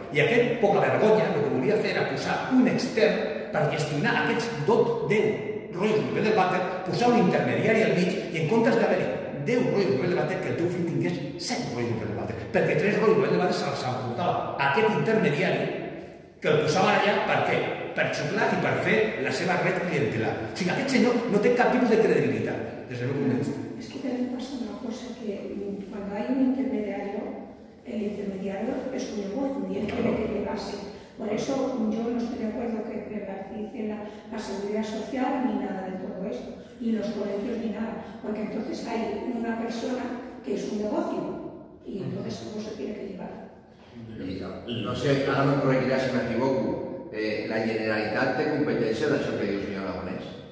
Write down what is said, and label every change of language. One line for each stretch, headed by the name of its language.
Catalan: I aquest, poca vergonya, el que volia fer era posar un extern per gestionar aquests 10 rotllos de paper del vàter, posar un intermediari al mig i en comptes d'haver-hi 10 rotllos de paper del vàter, que el teu fill tingués 7 rotllos de paper del vàter, perquè 3 rotllos de paper del vàter se'ls emportava aquest intermediari que el posava allà per què? Per xuclar i per fer la seva red clientelar. O sigui, aquest senyor no té cap tipus de credibilitat, des del meu punt de vista. És que també passa una cosa, que quan hi ha un intermediari, el intermediari és un negoci, i ell té que llevar-se.
Spanish: Por eso yo no estoy de acuerdo que privatice la seguridad social ni nada de todo esto, ni los colegios ni nada, porque entonces hay una persona que es un negocio y entonces cómo se tiene que llevar. No sé, ahora me corregirá si me equivoco,
Catalan: la Generalitat té competència d'això que diu el senyor Aragonès?